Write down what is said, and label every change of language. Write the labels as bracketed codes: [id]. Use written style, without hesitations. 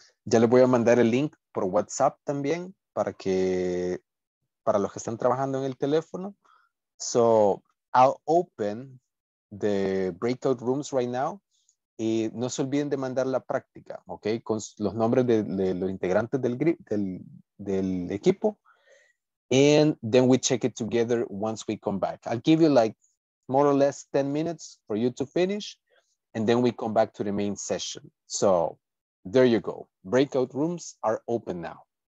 [es] Ya le voy a mandar el link por WhatsApp también para los que están trabajando en el teléfono. [en] So I'll open the breakout rooms right now. [es] No se olviden de mandar la práctica, ¿ok? Con los nombres de los integrantes del equipo. [en] And then we check it together once we come back. I'll give you like more or less 10 minutes for you to finish. And then we come back to the main session. So there you go. Breakout rooms are open now.